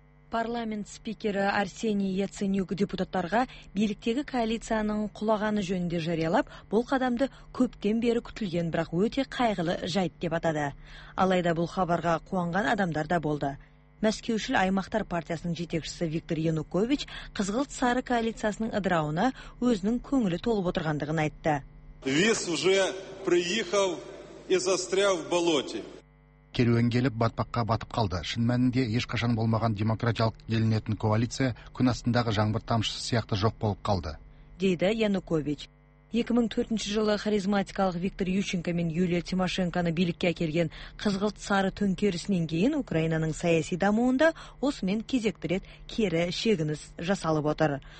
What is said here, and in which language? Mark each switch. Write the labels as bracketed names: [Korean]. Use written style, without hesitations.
[Kazakh] Парламент спикері Арсений Яценюк депутаттарға биліктегі коалицияның құлағаны жөнінде жариялап, бұл қадамды көптен бері күтілген, бірақ өте қайғылы жайт деп атады. Алайда бұл хабарға қуанған адамдар да болды. Мәскеушіл аймақтар партиясының жетекшісі Виктор Янукович қызғылт сары коалициясының ыдырауына өзінің көңілі толып отырғандығын айтты. [Russian] Вес уже приехал и застрял в болоте. [Kazakh] Керуен келіп батпаққа батып қалды. Шын мәнінде ешқашан болмаған демократиялық елінетін коалиция күн астындағы жаңбыр тамшысы сияқты жоқ болып қалды. Дейді Янукович. 2004 жылы харизматикалық Виктор Ющенко мен Юлия Тимошенконы билікке әкелген қызғылт сары төңкерісінен кейін Украинаның саяси дамуында осымен кезекті рет кері шегініс жасалып отыр.